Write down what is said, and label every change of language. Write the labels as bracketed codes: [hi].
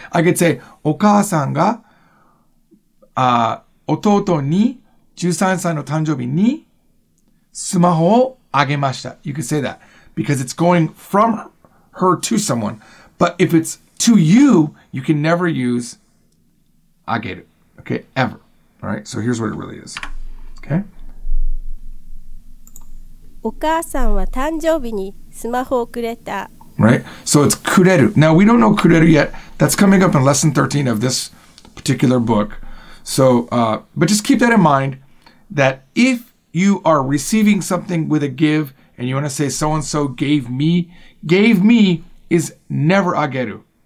[en] I could say, [ja] お母さんが、弟に13歳の誕生日にスマホをあげました。 [en] You can say that because it's going from her to someone. But if it's to you, you can never use あげる. Okay, ever. All right, so here's what it really is. Okay? [ja] お母さんは誕生日にスマホをくれた. [en] Right? So it's くれる.Now, we don't know くれる yet. That's coming up in lesson 13 of this particular book. So, but just keep that in mind that if you are receiving something with a give and you want to say so-and-so gave me is never ageru.